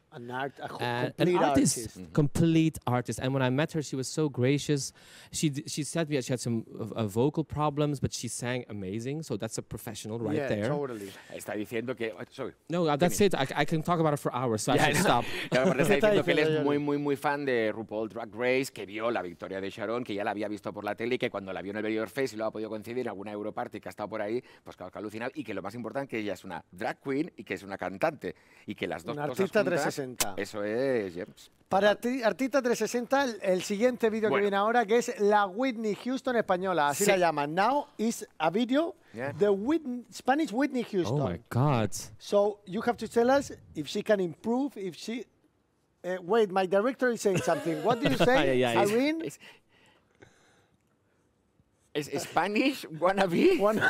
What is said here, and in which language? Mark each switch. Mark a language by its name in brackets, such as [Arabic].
[English] An artist. Mm-hmm. Complete artist. And when I met her, she was so gracious. She said to me that she had some vocal problems, but she sang amazing. So that's a professional right there. Yeah, totally. [Spanish] Está diciendo que, sorry. [English] No, that's it. I can talk about her for hours, so I should stop. [Spanish] Está diciendo que él es muy, muy, muy fan de RuPaul Drag Race, que vio la victoria de Sharon, que ya la había visto por la tele y que cuando la vio en el Bellior Face y lo ha podido coincidir en alguna Europarty que ha estado por ahí, pues claro, que alucina. Y que lo más importante que ella es una drag queen y que es una cantante. Y que las dos cosas juntas... Un artista 360. Eso es, yeah. Para Artista 360, el siguiente video que viene ahora, que es la Whitney Houston española, así la llaman. [English] Now is a video, the Spanish Whitney Houston. Oh, my God. So you have to tell us if she can improve, if she... wait, my director is saying something. What do you say, Irene? Is Spanish wannabe?